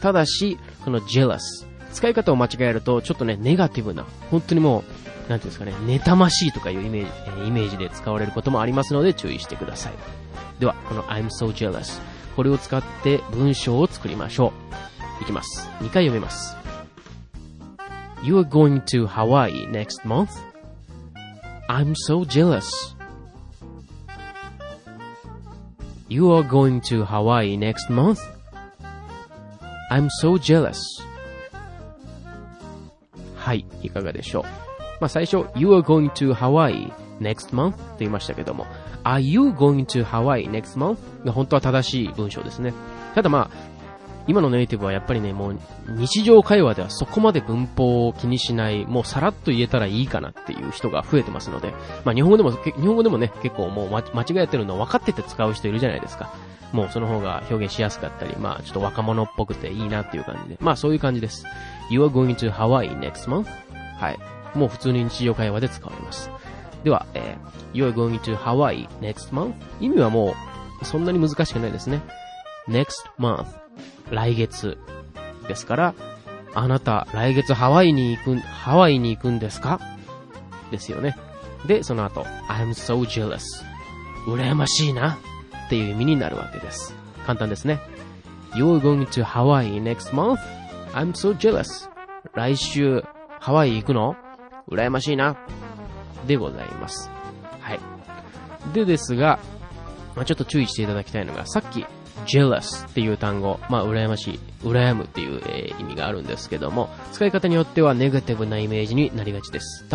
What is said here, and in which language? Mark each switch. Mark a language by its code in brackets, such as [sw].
[ja] ただしこの jealous 使い方を間違えるとちょっとねネガティブな、本当にもうなんていうんですかね、妬ましいとかいうイメージで使われることもありますので注意してください。ではこの [en] I'm so jealous、 [ja] これを使って文章を作りましょう。いきます、2回読みます。 [en] You are going to Hawaii next month? I'm so jealous. You are going to Hawaii next month? I'm so jealous. [ja] はい、いかがでしょう。まあ最初 [en] You are going to Hawaii next month [ja] と言いましたけども、 [en] Are you going to Hawaii next month? [ja] が本当は正しい文章ですね。ただまあ今のネイティブはやっぱりね、もう日常会話ではそこまで文法を気にしない、もうさらっと言えたらいいかなっていう人が増えてますので、まあ日本語でもね結構もう間違えてるの分かってて使う人いるじゃないですか。もうその方が表現しやすかったり、まあちょっと若者っぽくていいなっていう感じで、まあそういう感じです。 [en] You are going to Hawaii next month? [ja] はい、もう普通に日常会話で使われます。 [en] では、You are going to Hawaii next month? [ja] 意味はもうそんなに難しくないですね。Next month、来月ですから、あなた来月ハワイに行くんですかですよね。でその後 [en] I'm so jealous、 [ja] 羨ましいなっていう意味になるわけです。簡単ですね。 [en] You're going to Hawaii next month? I'm so jealous。 [ja] 来週ハワイ行くの？羨ましいなでございます。はい。でですが、まあ、ちょっと注意していただきたいのが、さっきjealous っていう単語、まあ羨ましい、羨むっていう、意味があるんですけども、使い方によってはネガティブなイメージになりがちです。